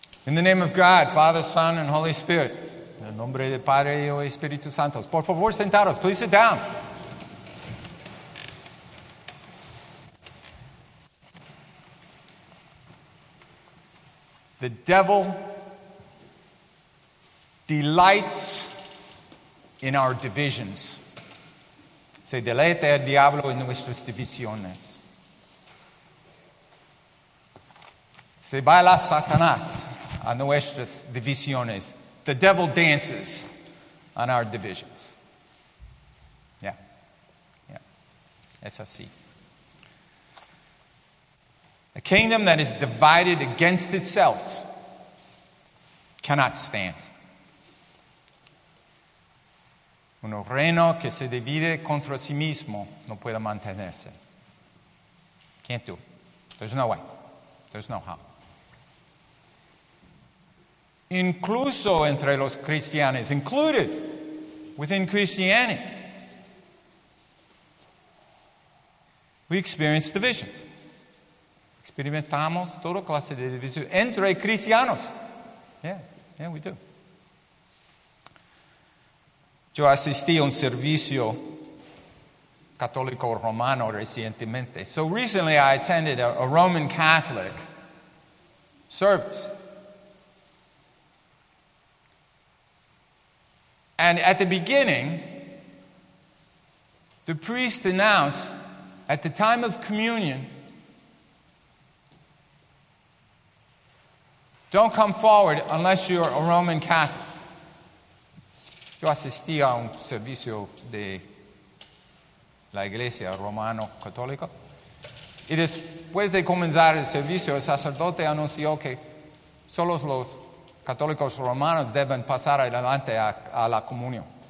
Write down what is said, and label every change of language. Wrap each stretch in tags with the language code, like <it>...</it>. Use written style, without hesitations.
<en>In the name of God, Father, Son, and Holy Spirit.</en> <es>En el nombre de Padre y Espíritu Santo. Por favor, sentaros. Please sit down.</es> <en>The devil delights in our divisions.</en> <es>Se deleita el diablo en nuestras divisiones. Se baila Satanás a nuestras divisiones.</es> <en>The devil dances on our divisions. Yeah. Yeah.</en> <es>Es así.</es> <en>A kingdom that is divided against itself cannot stand.</en> <es>Un reino que se divide contra sí mismo no puede mantenerse.</es> <en>Can't do. There's no way. There's no how.</en> <es>Incluso entre los cristianos,</es> <en>included within Christianity, we experience divisions.</en> <es>Experimentamos toda clase de división entre cristianos.</es> <en>Yeah, we do.</en> <es>Yo asistí a un servicio católico romano recientemente.</es> <en>So recently I attended a Roman Catholic service. And at the beginning, the priest announced at the time of communion, don't come forward unless you're a Roman Catholic.</en> <es>Yo asistí a un servicio de la iglesia romano-católica. Y después de comenzar el servicio, el sacerdote anunció que solo los católicos romanos deben pasar adelante a la comunión.</es>